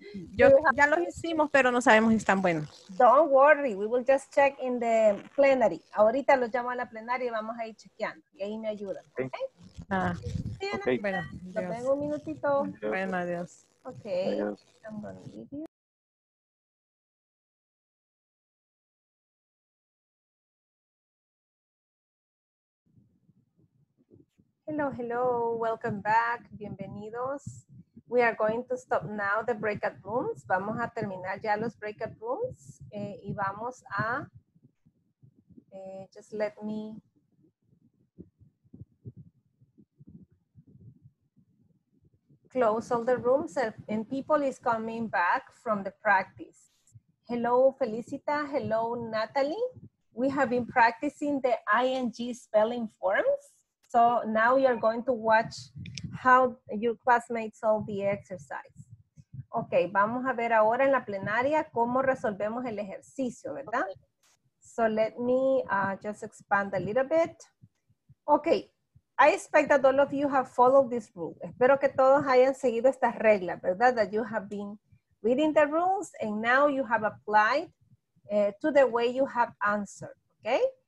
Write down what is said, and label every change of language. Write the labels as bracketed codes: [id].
[es] Yo, ya los hicimos, pero no sabemos si están buenos. [en] Don't worry, we will just check in the plenary. [es] Ahorita los llamo a la plenaria y vamos a ir chequeando. Y ahí me ayudan, ¿ok? Ah, sí, ok. Bueno, adiós. Tengo un minutito. Bueno, adiós. [en] Ok. Adiós. I'm gonna leave you. Hello, hello, welcome back, bienvenidos. We are going to stop now the breakout rooms. [es] Vamos a terminar ya los breakout rooms y vamos a, [en] just let me. Close all the rooms and people is coming back from the practice. Hello, Felicita, hello, Natalie. We have been practicing the ING spelling forms. So now you're going to watch how your classmates solve the exercise. [es] Ok, vamos a ver ahora en la plenaria cómo resolvemos el ejercicio, ¿verdad? [en] So let me just expand a little bit. Ok, I expect that all of you have followed this rule. [es] Espero que todos hayan seguido estas reglas, ¿verdad? [en] That you have been reading the rules and now you have applied to the way you have answered, ¿ok?